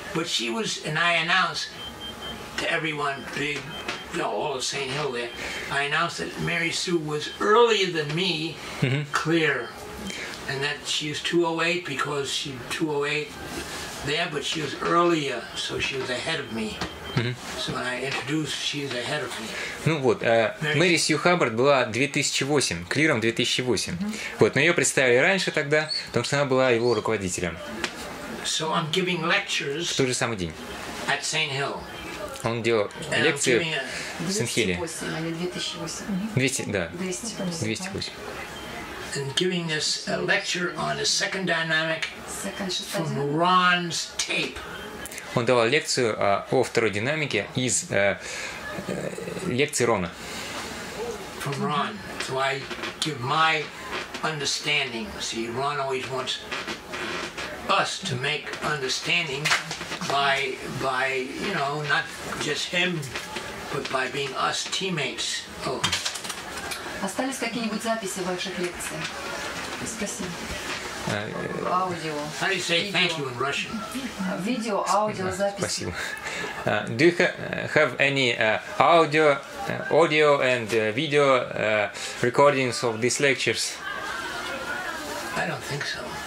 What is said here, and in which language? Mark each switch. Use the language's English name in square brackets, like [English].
[English] But she was, and I announced to everyone, big, you know, all of St. Hill there, I announced that Mary Sue was earlier than me clear. And that she was 208 because she 208 there, but she was earlier, so she was ahead of me. So when I introduced, she was ahead of me. [Russian] Ну вот, Мэри Сью Хаббард была 2008, клиром 2008. Вот, но ее представили раньше тогда, потому что она была его руководителем. [English] So I'm giving lectures. [Russian] В тот же самый день. [English] At Saint Hill. [Russian] Он делал лекции в Сент-Хилле. 208 или 208? 200, да. 208. [English] And giving this lecture on a second dynamic from Ron's tape. [Russian] Он давал лекцию о второй динамике из лекции Рона. [English] From Ron. So I give my understanding. See, Ron always wants us to make understanding by you know, not just him, but by being us teammates. Oh. [Russian] Остались какие-нибудь записи ваших лекций? Спасибо. Аудио. [English] How do you say thank you in Russian? [Russian] Видео, аудио, записи. Спасибо. [English] Do you have any audio and video recordings of these lectures? I don't think so.